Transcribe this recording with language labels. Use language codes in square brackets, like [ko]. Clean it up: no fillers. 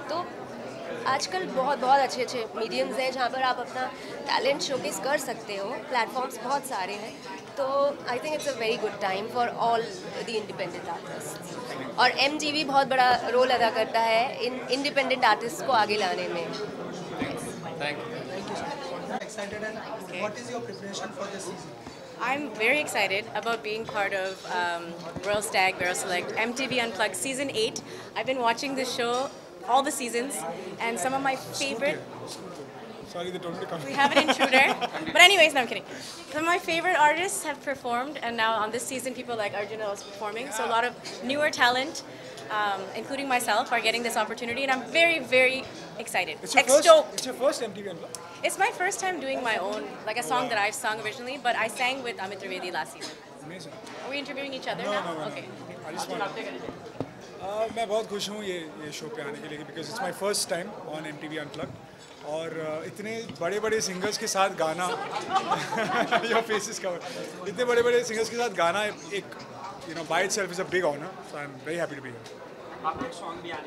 [hi] तो आजकल बहुत बहुत अच्छे अच्छे मीडियम्स हैं जहाँ पर आप अपना टैलेंट शोकेस कर सकते हो. प्लेटफॉर्म्स बहुत सारे हैं. तो [en] I think it's a very good time for all the independent artist. [hi] और MTV बहुत बड़ा रोल अदा करता है इन इंडिपेंडेंट आर्टिस्ट को आगे लाने में. [en] I am very excited about being part of Royal Stag, Barrel Select, MTV Unplugged Season 8. I've been watching this show all the seasons and some of my favorite... Sorry, they totally come. We have an intruder. But anyways, no, I'm kidding. Some of my favorite artists have performed, and now on this season people like Arjuna is performing. So a lot of newer talent, including myself, are getting this opportunity and I'm very, very excited. It's your first MTV Unplugged? It's my first time doing my own, like a song that I've sung originally, but I sang with Amit Trivedi last season. Amazing. Are we interviewing each other now? No. Okay. I just want to... [hi] मैं बहुत खुश हूँ ये show पे आने के लिए, [en] because it's my first time on MTV Unplugged. [hi] और इतने बड़े बड़े सिंगर्स के साथ गाना, [en] your face is covered. [hi] इतने बड़े बड़े सिंगर्स के साथ गाना एक, [en] you know, by itself is a big honor. So I'm very happy to be here.